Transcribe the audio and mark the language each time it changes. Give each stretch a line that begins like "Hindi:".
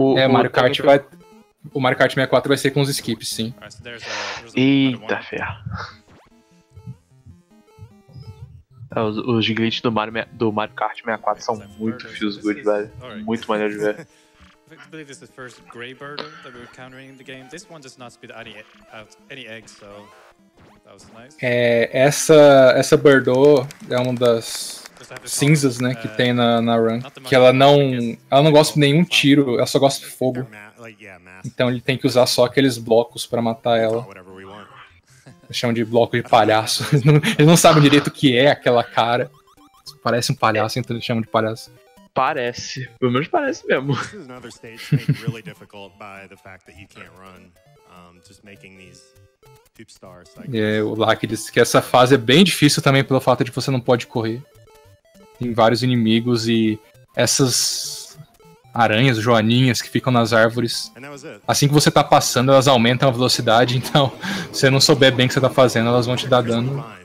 Portuguese: Mario Kart vai. O Mario Kart 64 vai ser com os skips, sim. Eita ferra. Os glitches do Mario Kart 64 são muito feels good, velho. Muito maneiro de ver.
English: I believe this is the first gray burger that we're encountering in the game. This one does not spit any eggs, so that was nice.
Portuguese: Essa Birdo é uma das cinzas, né, que tem na run, que ela não gosta de nenhum tiro, ela só gosta de fogo. Então ele tem que usar só aqueles blocos pra matar ela. Eles chamam de bloco de palhaço. Eles não sabem direito o que é aquela cara. Parece um palhaço, então eles chamam de palhaço. Parece, pelo menos parece mesmo.
English: This is another stage made really difficult by the fact that you can't run. Just making these deep stars.
Portuguese: O Lucky disse que essa fase é bem difícil também pelo fato de você não pode correr. Tem vários inimigos e essas aranhas, joaninhas que ficam nas árvores. Assim que você tá passando, elas aumentam a velocidade, então se você não souber bem o que você tá fazendo, elas vão te dar dano.